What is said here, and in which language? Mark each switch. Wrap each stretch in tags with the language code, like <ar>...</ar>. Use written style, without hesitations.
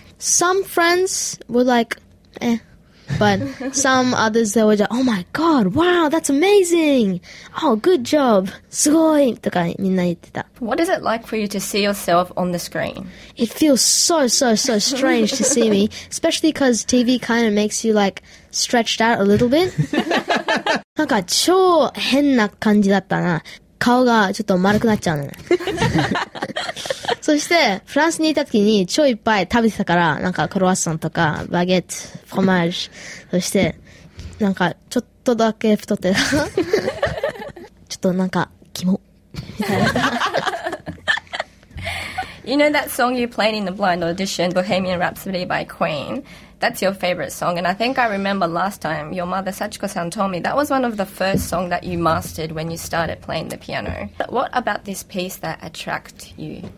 <en>Some friends were like, eh. But some others, they were like, oh my god, wow, that's amazing. Oh, good job.</en> <ja>すごい!とかみんな言ってた。</ja> <en>What is it like for you to see yourself on the screen? It feels so, so, so strange to see me, especially because TV kind of makes you like stretched out a little bit.</en> <ja>なんか超変な感じだったな。顔がちょっと丸くなっちゃうね。そしてフランスにいた時に超いっぱい食べてたから、なんかクロワッサンとかバゲット、フォーマージュ、そしてなんかちょっとだけ太ってた。ちょっとなんかキモみたいな。</ja> <en>You know that song you played in the blind audition, Bohemian Rhapsody by Queen? That's your favorite song, and I think I remember last time your mother Sachiko-san told me that was one of the first songs that you mastered when you started playing the piano. But what about this piece that attracted you?</en>